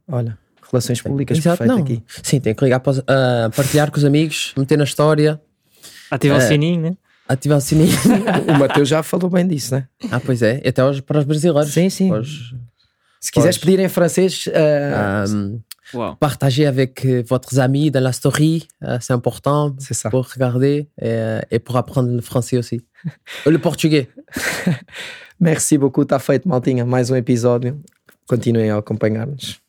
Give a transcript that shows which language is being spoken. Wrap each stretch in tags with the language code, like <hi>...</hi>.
<pt>Olha, relações públicas, exato, perfeito, não. Aqui. Sim, tem que ligar para os, partilhar com os amigos, meter na história. Ativar o sininho, né? Ativar o sininho. O Mateus já falou bem disso, né? Ah, pois é. E até hoje para os brasileiros. Sim, sim. Para os, se quiseres pedir em francês. Wow.</pt> <fr>Partagez avec vos amis dans la story, c'est important pour regarder et pour apprendre le français aussi. Le portugais. Merci beaucoup, t'as fait, Maltinha.</fr> <pt>Mais um episódio. Continuem a acompanhar-nos.</pt>